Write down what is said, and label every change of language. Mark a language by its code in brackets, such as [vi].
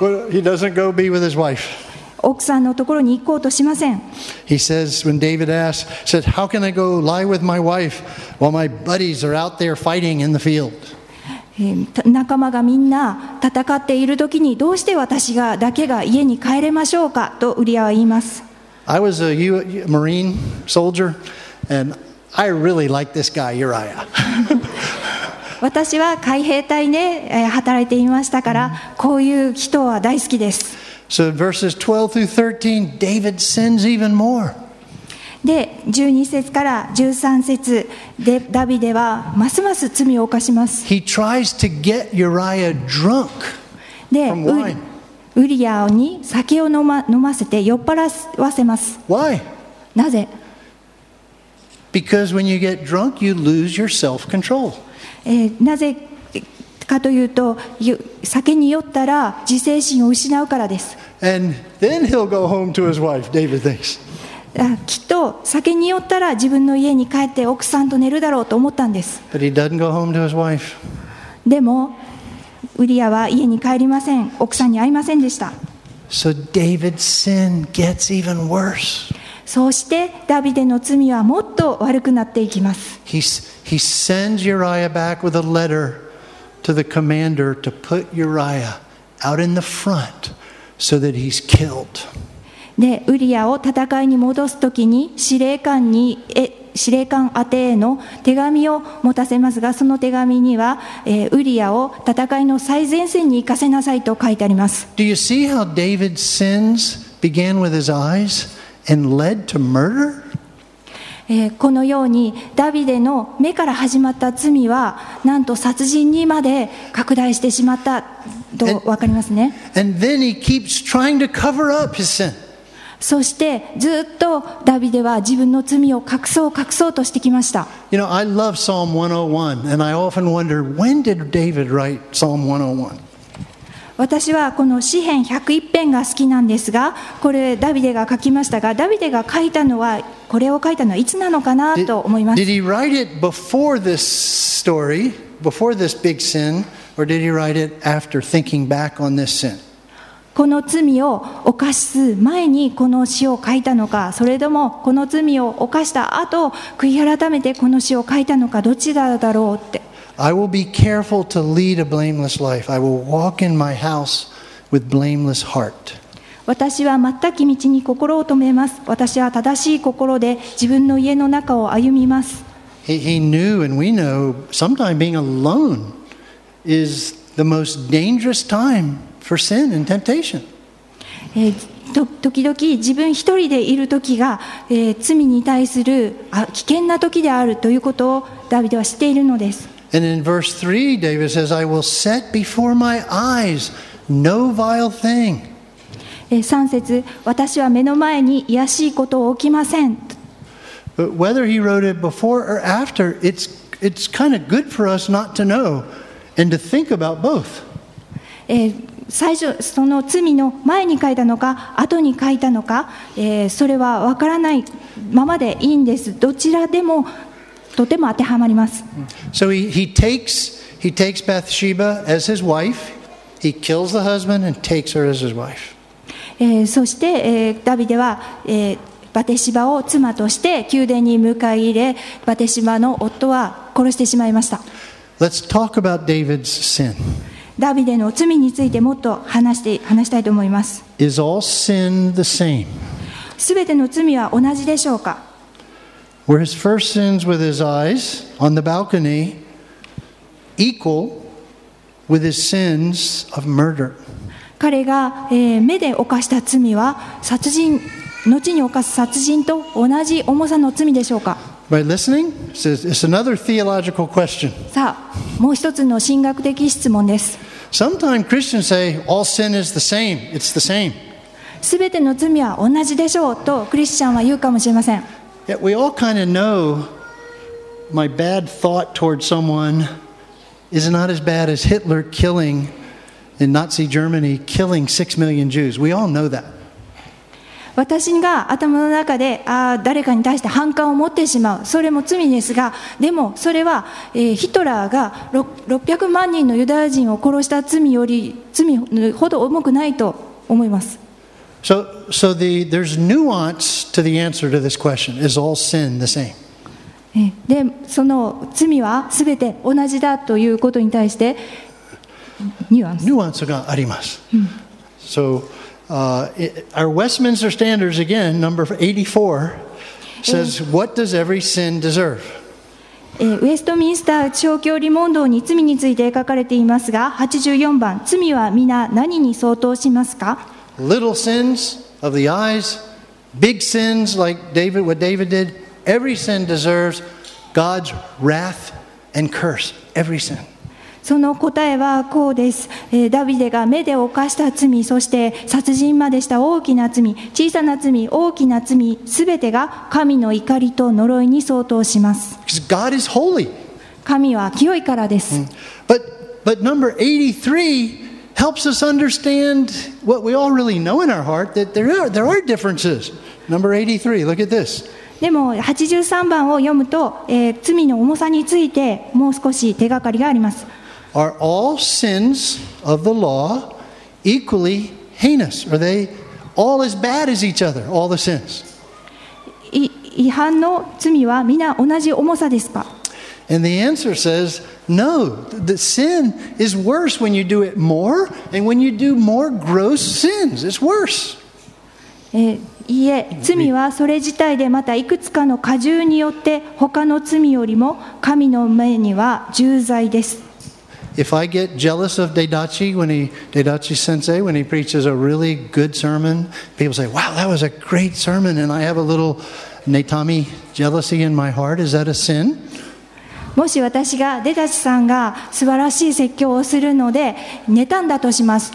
[en] He doesn't go be with his wife. [ja] 奥さんのところに行こうとしません。 [en] He says, when David asked, how can I go lie with my wife while my buddies are out there fighting in the field? [ja] 仲間がみんな戦っている時にどうして私がだけが家に帰れましょうかとウリアは言います。 [en] I was a Marine soldier and I really liked this guy, Uriah. [ja] 私は海兵隊で働いていましたから、こういう人は大好きです。 [en] So verses 12 through 13, David sins even more. [ja] で、12節から13節でダビデはますます罪を犯します。 [en] He tries to get Uriah drunk from wine. [ja] ウリアに酒を飲ませて酔っ払わせます。 [en] Why? [ja] なぜ? [en] Because when you get drunk, you lose your self-control. [ja] なぜ? かというと酒に酔ったら自制心を失うからです。 [en] And then he'll go home to his wife, David thinks. [ja] きっと酒に酔ったら自分の家に帰って奥さんと寝るだろうと思ったんです。 [en] But he doesn't go home to his wife. [ja] でもウリアは家に帰りません。奥さんに会いませんでした。 [en] So David's sin gets even worse. [ja] そしてダビデの罪はもっと悪くなっていきます。 [en] He sends Uriah back with a letterTo the commander to put Uriah out in the front so that he's killed. [ja] で、ウリアを戦いに戻すときに司令官宛への手紙を持たせますが、その手紙には、ウリアを戦いの最前線に行かせなさいと書いてあります。 [en] Do you see how David's sins began with his eyes and led to murder? [ja] このようにダビデの目から始まった罪はなんと殺人にまで拡大してしまったと分かりますね。 [en] And then he keeps trying to cover up his sin. [ja] そしてずっとダビデは自分の罪を隠そうとしてきました。 [en] You know, I love Psalm 101 and I often wonder when did David write Psalm 101? [ja] 私はこの詩編101編が好きなんですが、これダビデが書きましたが、ダビデが書いたのはこれを書いたのはいつなのかなと思います。 [en] Did he write it before this story, before this big sin, or did he write it after thinking back on this sin? [ja] この罪を犯す前にこの詩を書いたのか、それともこの罪を犯した後悔い改めてこの詩を書いたのか、どっちだろうって。 [en] I will be careful to lead a blameless life. I will walk in my house with blameless heart. [ja] 私は全く道に心を留めます。私は正しい心で自分の家の中を歩みます。 [en] He knew and we know sometimes being alone is the most dangerous time for sin and temptation. [ja] 時々自分一人でいる時が、罪に対する危険な時であるということをダビデは知っているのです。 [en] And in verse 3, David says, I will set before my eyes no vile thing. [ja] 3節、私は目の前に卑しいことを置きません。 [en] But whether he wrote it before or after, it's kind of good for us not to know and to think about both. [ja] 最初その罪の前に書いたのか後に書いたのか、それは分からないままでいいんです。どちらでもとても当てはまります。 [en] So he takes Bathsheba as his wife. He kills the husband and takes her as his wife. [ja] そして、ダビデは、バテシバを妻として宮殿に迎え入れ、バテシバの夫は殺してしまいました。 [en] Let's talk about David's sin. [ja] ダビデの罪についてもっと話したいと思います。 [en] Is all sin the same? [ja] 全ての罪は同じでしょうか。 [en] Were his first sins with his eyes on the balcony equal with his sins of murder? [ja] 彼が、目で犯した罪は殺人、後に犯す殺人と同じ重さの罪でしょうか。 [en] By listening, it's another theological question. [ja] さあ、もう一つの神学的質問です。 [en] Sometimes Christians say all sin is the same. It's the same. [ja] 全ての罪は同じでしょうとクリスチャンは言うかもしれません。 [en] Yet we all kind of know my bad thought towards someone is not as bad as Hitler killing in Nazi Germany killing 6 million Jews. We all know that. [ja] 私が頭の中で誰かに対して反感を持ってしまう、それも罪ですが、でもそれはヒトラーが600万人のユダヤ人を殺した罪より罪ほど重くないと思います。 [en] So there's nuance to the answer to this question. Is all sin the same? [ja] で、その罪はすべて同じだということに対してニュアンスがあります。 [en] So, our Westminster Standards again, number 84, says, what does every sin deserve? [ja] ウェストミンスター長教理問答に罪について書かれていますが、84番、罪は皆何に相当しますか？ [en] Little sins of the eyes, big sins like David, what David did. Every sin deserves God's wrath and curse. Every sin. [ja] その答えはこうです。ダビデが目で犯した罪、そして殺人までした大きな罪、小さな罪、大きな罪、すべてが神の怒りと呪いに相当します。 [en] Because God is holy. [ja] 神は清いからです。 [en] But number 83. Helps us understand what we all really know in our heart that there are differences. Number 83, look at this. [ja] でも83番を読むと、罪の重さについてもう少し手がかりがあります。 [en] Are all sins of the law equally heinous? Are they all as bad as each other? All the sins. [ja] 違反の罪はみんな同じ重さですか？ [en] And the answer says, no, the sin is worse when you do it more and when you do more gross sins. It's worse. [ja] いえ、罪はそれ自体でまたいくつかの過重によって他の罪よりも神の目には重罪です。 [en] If I get jealous of Deidachi, Deidachi sensei, when he preaches a really good sermon, people say, wow, that was a great sermon, and I have a little netami jealousy in my heart. Is that a sin? [ja] もし私がデダチさんが素晴らしい説教をするので妬んだとします。